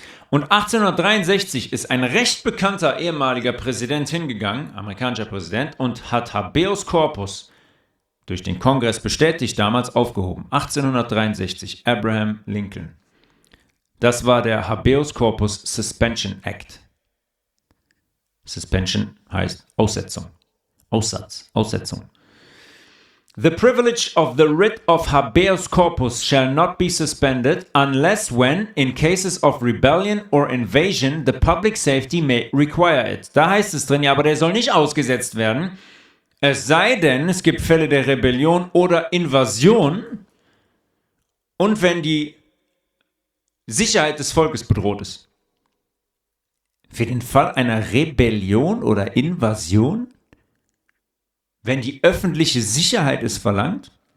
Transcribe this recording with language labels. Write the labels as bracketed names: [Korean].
[German] Und 1863 ist ein recht bekannter ehemaliger Präsident hingegangen, amerikanischer Präsident, und hat Habeas Corpus durch den Kongress bestätigt, damals aufgehoben. 1863, Abraham Lincoln. Das war der Habeas Corpus Suspension Act. Suspension heißt Aussetzung. Aussatz, Aussetzung. [English] The privilege of the writ of habeas corpus shall not be suspended unless when, in cases of rebellion or invasion, the public safety may require it. [German] Da heißt es drin, ja, aber der soll nicht ausgesetzt werden. Es sei denn, es gibt Fälle der Rebellion oder Invasion und wenn die Sicherheit des Volkes bedroht ist. Für den Fall einer Rebellion oder Invasion, wenn die öffentliche Sicherheit es verlangt?